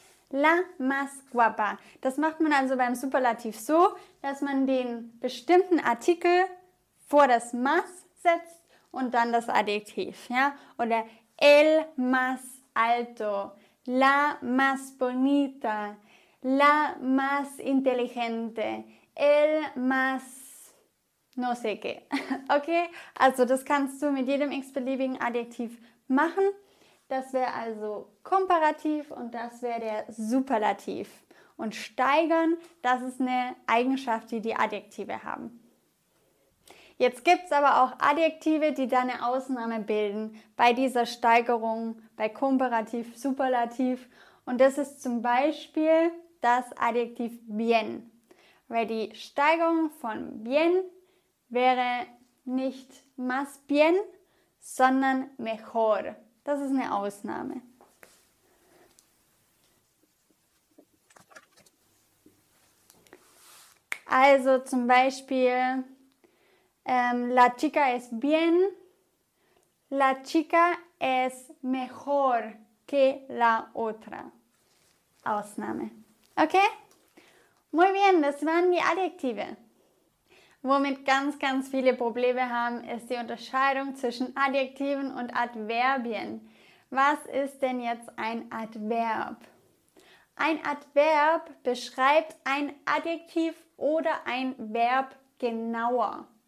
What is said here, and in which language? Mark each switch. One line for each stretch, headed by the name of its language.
Spanish: La más guapa.
German: Das macht man also beim Superlativ so, dass man den bestimmten Artikel vor das más setzt und dann das Adjektiv. Ja? Oder
Spanish: el más alto, la más bonita, la más inteligente, el más no sé qué.
German: Okay? Also das kannst du mit jedem x-beliebigen Adjektiv machen. Das wäre also Komparativ und das wäre der Superlativ. Und steigern, das ist eine Eigenschaft, die die Adjektive haben. Jetzt gibt es aber auch Adjektive, die da eine Ausnahme bilden bei dieser Steigerung, bei Komparativ, Superlativ. Und das ist zum Beispiel das Adjektiv bien. Weil die Steigerung von bien wäre nicht más bien, sondern mejor. Das ist eine Ausnahme. Also zum Beispiel,
Spanish: la chica es bien, la chica es mejor que la otra.
German: Ausnahme. Okay?
Spanish: Muy bien,
German: das waren die Adjektive. Womit ganz, ganz viele Probleme haben, ist die Unterscheidung zwischen Adjektiven und Adverbien. Was ist denn jetzt ein Adverb? Ein Adverb beschreibt ein Adjektiv oder ein Verb genauer.